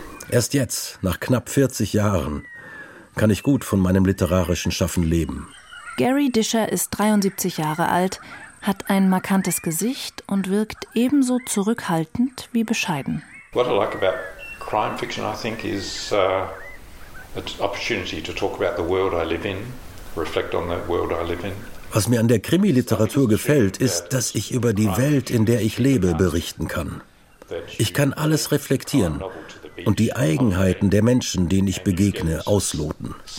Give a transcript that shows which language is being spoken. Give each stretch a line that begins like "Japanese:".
German: Erst jetzt, nach knapp 40 Jahren, kann ich gut von meinem literarischen Schaffen leben. Gary Disher ist 73 Jahre alt, hat ein markantes Gesicht und wirkt ebenso zurückhaltend wie bescheiden.
English: What I like about crime fiction, I think, is opportunity to talk about the world I live in, reflect on the world I live in.
German: Was mir an der Krimiliteratur gefällt, ist, dass ich über die Welt, in der ich lebe, berichten kann. Ich kann alles reflektieren und die Eigenheiten der Menschen, denen ich begegne, ausloten.